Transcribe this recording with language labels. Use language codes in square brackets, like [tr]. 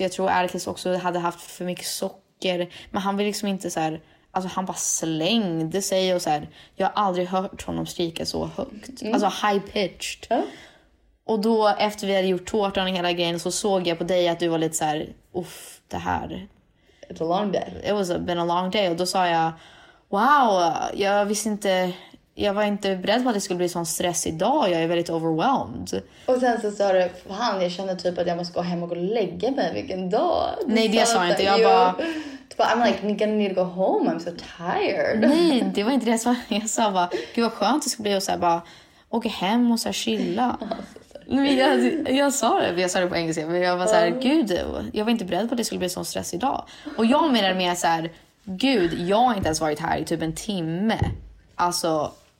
[sv] Jag tror Erkes också hade haft för mycket socker. Men han vill liksom inte så här... Alltså han bara slängde sig och så här... Jag har aldrig hört honom skrika så högt. Mm. Alltså high-pitched. Mm. Och då, efter vi hade gjort tårtan och hela grejen, så såg jag på dig att du var lite så här... Uff, det här... [en] It's a long day. It was been a long day. [sv] Och då sa jag... Wow, jag visste inte... Jag var inte beredd på att det skulle bli sån stress idag. Jag är väldigt overwhelmed. Och sen så sa du, fan, jag känner typ att jag måste gå hem och gå och lägga mig. Vilken dag. Du nej, det sa jag inte. Jag bara... [en] Typ, I'm like, Nika, I need to go home. I'm so tired. [sv] Nej, det var inte det jag sa. Jag sa bara, gud vad skönt det skulle bli. Och så här bara, åka hem och så här chilla. Jag sa det, jag sa det på engelska. Men jag var så här, gud, jag var inte beredd på att det skulle bli sån stress idag. Och jag menar mer så här, gud, jag har inte ens varit här i typ en timme. Alltså...